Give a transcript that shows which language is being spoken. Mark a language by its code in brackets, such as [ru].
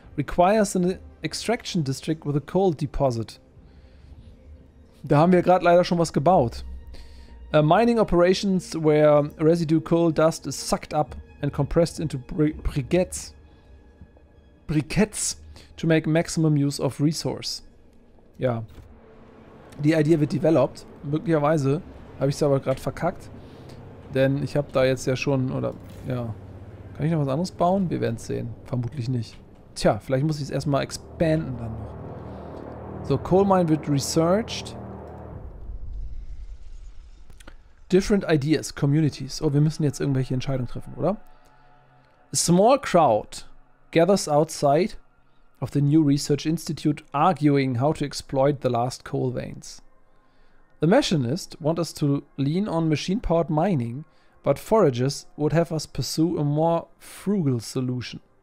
[en] Requires an extraction district with a coal deposit. [de] Da haben wir gerade leider schon was gebaut. [en] Mining operations where residue coal dust is sucked up and compressed into briquettes. Briquettes to make maximum use of resource. Ja. [de] Die Idee wird developed. Möglicherweise habe ich es aber gerade verkackt. Denn ich habe da jetzt ja schon, oder, ja. Kann ich noch was anderes bauen? Wir werden es sehen. Vermutlich nicht. Tja, vielleicht muss ich es erstmal expanden dann noch. So, Coal Mine wird researched. [en] Different ideas, communities. [de] Oh, wir müssen jetzt irgendwelche Entscheidungen treffen, oder? [en] A small crowd gathers outside of the new research institute arguing how to exploit the last coal veins. The machinists want us to lean on machine-powered mining, but foragers would have us pursue a more frugal solution.